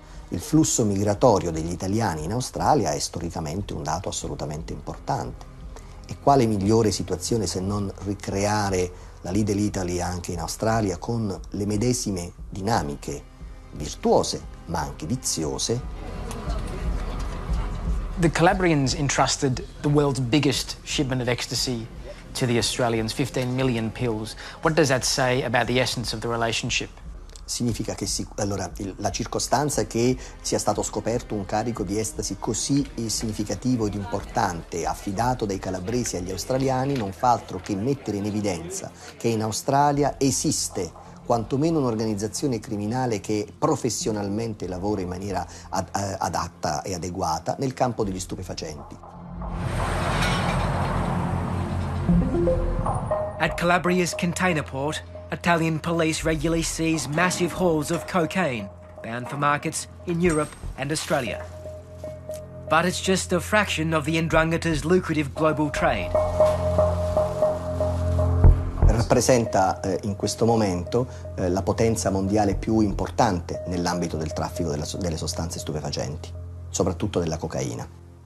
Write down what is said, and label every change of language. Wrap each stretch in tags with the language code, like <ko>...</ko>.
<it>Il flusso migratorio degli italiani in Australia è storicamente un dato assolutamente importante. E quale migliore situazione se non ricreare la Little Italy anche in Australia con le medesime dinamiche, virtuose ma anche viziose.</it> <en>The Calabrians entrusted the world's biggest shipment of ecstasy to the Australians, 15 million pills. What does that say about the essence of the relationship?</en> <it>Significa che la circostanza che sia stato scoperto un carico di estasi così significativo ed importante affidato dai calabresi agli australiani non fa altro che mettere in evidenza che in Australia esiste quantomeno un'organizzazione criminale che professionalmente lavora in maniera adatta e adeguata nel campo degli stupefacenti.</it> <en>At Calabria's container port, Italian police regularly seize massive hauls of cocaine bound for markets in Europe and Australia. But it's just a fraction of the Ndrangheta's lucrative global trade.</en> <it>Rappresenta in questo momento la potenza mondiale più importante nell'ambito del traffico delle sostanze stupefacenti, soprattutto della cocaina.</it>